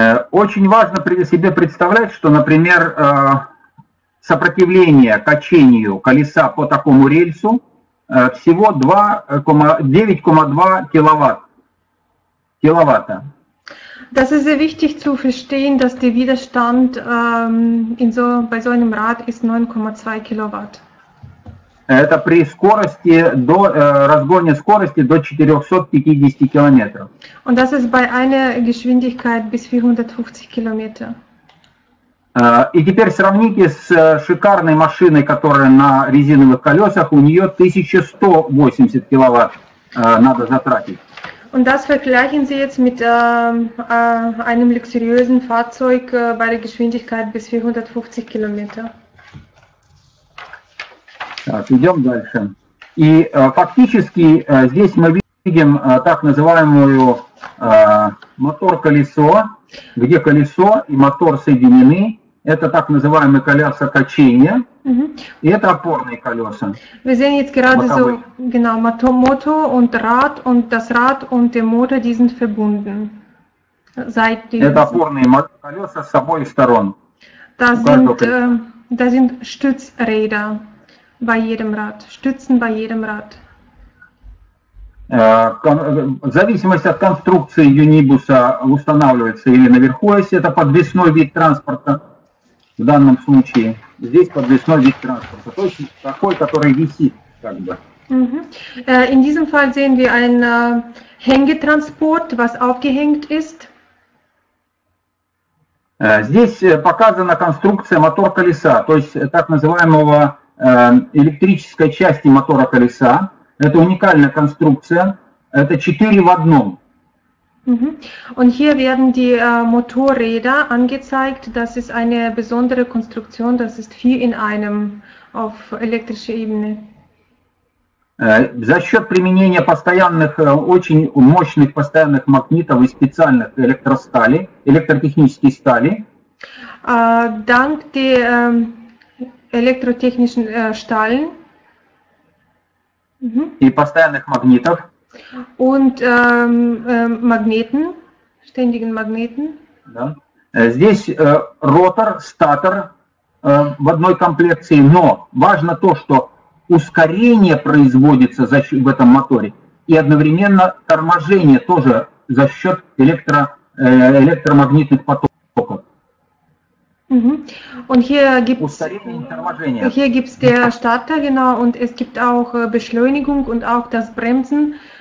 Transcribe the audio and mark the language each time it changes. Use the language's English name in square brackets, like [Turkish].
[Russian] Очень важно себе представлять, что, например, сопротивление качению колеса по такому рельсу всего 9,2 киловатта. [German] Das ist sehr wichtig zu verstehen, dass der Widerstand bei so einem Rad ist 9,2 Kilowatt. [Russian] Это при скорости до разгоне скорости до 450 километров. [German] Und das ist bei einer Geschwindigkeit bis 450 Kilometer. [Russian] И теперь сравните с шикарной машиной, которая на резиновых колесах, у нее 1180 киловатт надо затратить. [German] Und das vergleichen Sie jetzt mit einem luxuriösen Fahrzeug bei der Geschwindigkeit bis 450 Kilometer. [Russian] Так, идем дальше. И фактически здесь мы видим так называемую мотор-колесо, где колесо и мотор соединены. Это так называемые колеса качения. И это опорные колеса. Мы видим [German] jetzt gerade so, genau, Motor und Rad und das Rad und der Motor, die sind verbunden. [Russian] Это опорные колеса с обоих сторон. [German] Da sind Stützräder bei jedem Rad. Stützen bei jedem Rad. [Russian] В зависимости от конструкции юнибуса устанавливается или наверху, если это подвесной вид транспорта. В данном случае здесь подвесной вид транспорта, то есть такой, который висит, как бы. [German] In diesem Fall sehen wir einen Hängetransport, was aufgehängt ist. [Russian] Здесь показана конструкция мотор-колеса, то есть так называемого электрической части мотора-колеса. Это уникальная конструкция, это 4 в одном. [German] Und hier werden die Motorräder angezeigt. Das ist eine besondere Konstruktion. Das ist 4 in 1 auf elektrischer Ebene. [Russian] За счет применения постоянных, очень мощных постоянных магнитов и специальных электростали, электротехнической стали. [German] Dank der электротехнischen Stahl. [Russian] И постоянных магнитов. [German] Und Magneten, ständigen Magneten. [Russian] Да. Здесь ротор, статор в одной комплекции, но важно то, что ускорение производится за счет, в этом моторе, и одновременно торможение тоже за счет электромагнитных потоков. [German] Und hier gibt's, [Russian] ускорение и [German] hier gibt's der Starter, genau, und es gibt auch Beschleunigung und auch das Bremsen.